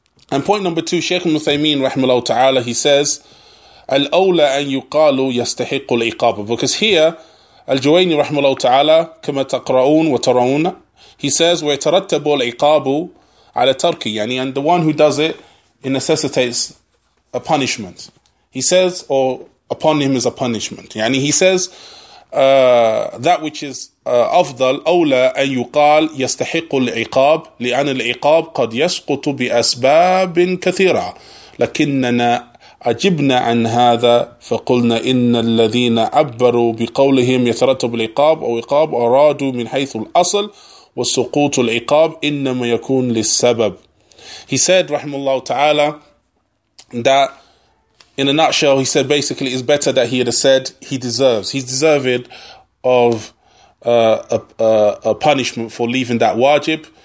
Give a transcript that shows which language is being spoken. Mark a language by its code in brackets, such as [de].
[en] And point number two, Shaykh Muthaymin rahimahullah ta'ala, he says, [ar] al awla an yuqalu yastahiqu al-iqaba. [en] Because here, al-Juwayni rahimahullah ta'ala, [ar] kama taqra'un wa tarawun, [en] he says, [ar] wa yatarattabu al-iqabu ala tarki. [en] Yani, and the one who does it, it necessitates a punishment. He says, or upon him is a punishment. Yani, he says, that which is [ar] أفضل أولى أن يقال يستحق العقاب لأن العقاب قد يسقط بأسباب كثيرة لكننا أجبنا عن هذا فقلنا إن الذين عبروا بقولهم يترتب العقاب أو عقاب أرادوا من حيث الأصل والسقوط العقاب إنما يكون للسبب. [en] He said [ar] رحمه الله تعالى [en] that in a nutshell, he said basically it's better that he had said he's deserved of a punishment for leaving that wajib.